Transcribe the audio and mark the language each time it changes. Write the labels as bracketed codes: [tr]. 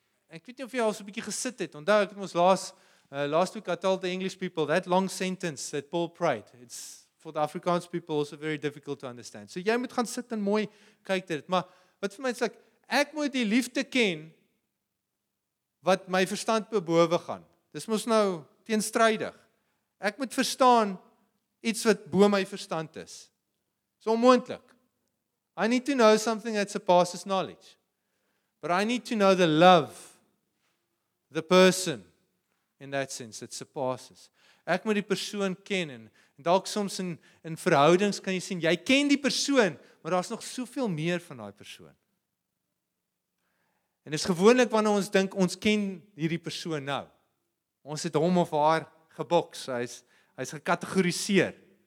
[af] Ek weet nie of jy al so'n bietjie gesit het, onthou, ek het ons [en] last week, I told the English people, that long sentence that Paul prayed, it's for the Afrikaans people also very difficult to understand. [af] So jy moet gaan sit en mooi kyk dit, maar wat vir my is, like, ek moet die liefde ken wat my verstand bobowe gaan. Dis mos nou teenstrydig. Ek moet verstaan iets wat bo my verstand is. Dis onmoontlik. [en] I need to know something that surpasses knowledge. But I need to know the love, the person, in that sense, that surpasses. [af] Ek moet die persoon ken en dalk soms in verhoudings kan jy sien, jy ken die persoon, maar daar is nog soveel meer van die persoon. En is gewoonlik wanneer ons dink ons ken hierdie persoon nou. Ons het hom of haar geboks, hy's gekategoriseer.